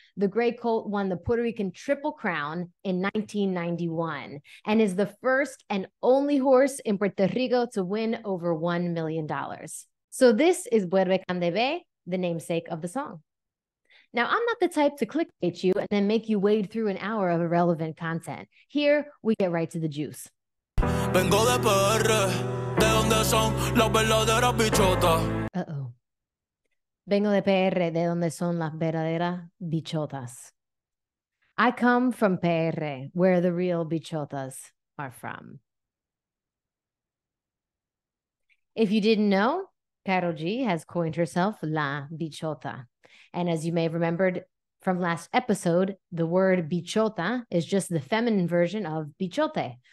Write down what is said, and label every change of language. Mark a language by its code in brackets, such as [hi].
[en] The gray colt won the Puerto Rican Triple Crown in 1991 and is the first and only horse in Puerto Rico to win over $1 million. So this is Vuelve Candy B, the namesake of the song. Now, I'm not the type to clickbait you and then make you wade through an hour of irrelevant content. Here, we get right to the juice. [es] Vengo de PR, ¿de dónde son las verdaderas bichotas? Uh-oh. Vengo de PR, ¿de dónde son las verdaderas bichotas? [en] I come from PR, where the real bichotas are from. If you didn't know, Karol G has coined herself La Bichota. And as you may have remembered from last episode, the word bichota is just the feminine version of bichote.